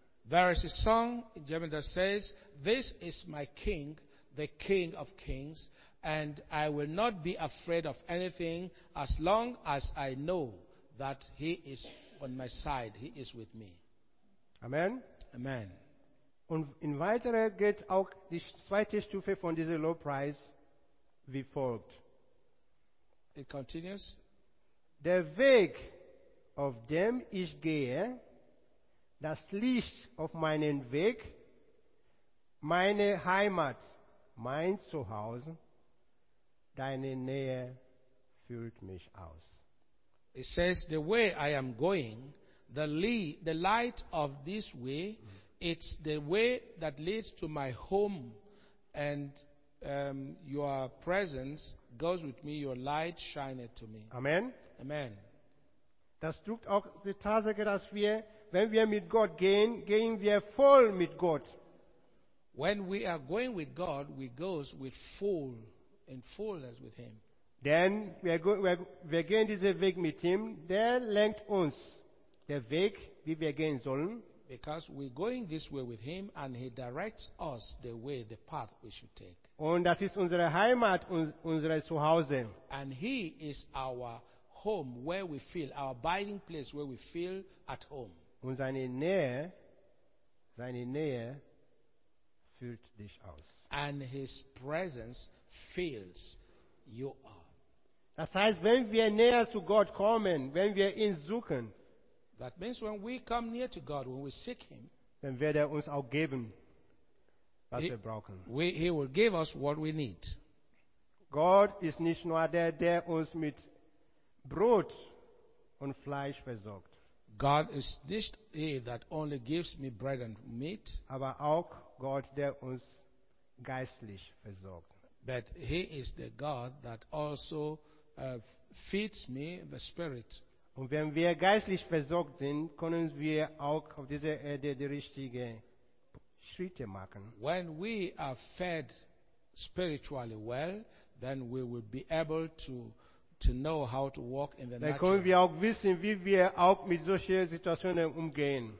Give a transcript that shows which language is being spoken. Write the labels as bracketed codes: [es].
[en] There is a song in German that says, this is my King, the King of Kings, and I will not be afraid of anything as long as I know that He is on my side, He is with me. Amen. Amen. [de] Und in weiterer geht auch die zweite Stufe von diesem Lobpreis wie folgt. [en] It continues. [de] Der Weg, auf dem ich gehe, das Licht auf meinen Weg, meine Heimat, mein Zuhause, deine Nähe füllt mich aus. [en] It says, the way I am going, the light of this way, it's the way that leads to my home, and your presence goes with me, your light shineth to me. Amen. Amen. [de] Das drückt auch die Tatsache, dass wir, wenn wir mit Gott gehen, gehen wir voll mit Gott. [en] When we are going with God, we go with fullness with Him. [de] Denn wir gehen diesen Weg mit ihm, der lenkt uns den Weg, wie wir gehen sollen. [en] Because we're going this way with him and he directs us the way, the path we should take. [de] Und das ist unsere Heimat, unsere Zuhause. [en] And he is our home where we feel, our abiding place where we feel at home. [de] Und seine Nähe füllt dich aus. [en] And his presence fills you up. [de] Das heißt, wenn wir näher zu Gott kommen, wenn wir ihn suchen, [en] that means when we come near to God, when we seek him, [de] dann wird uns auch geben, was wir brauchen. [en] He will give us what we need. [de] Gott ist nicht nur der uns mit Brot und Fleisch versorgt. [en] God is this he that only gives me bread and meat. [de] Aber auch Gott, der uns geistlich versorgt. [en] But he is the God that also feeds me the spirit. [de] Und wenn wir geistlich versorgt sind, können wir auch auf dieser Erde die richtigen Schritte machen. [en] When we are fed spiritually well, then we will be able to know how to walk in the natural. [de] Dann können wir auch wissen, wie wir auch mit solchen Situationen umgehen.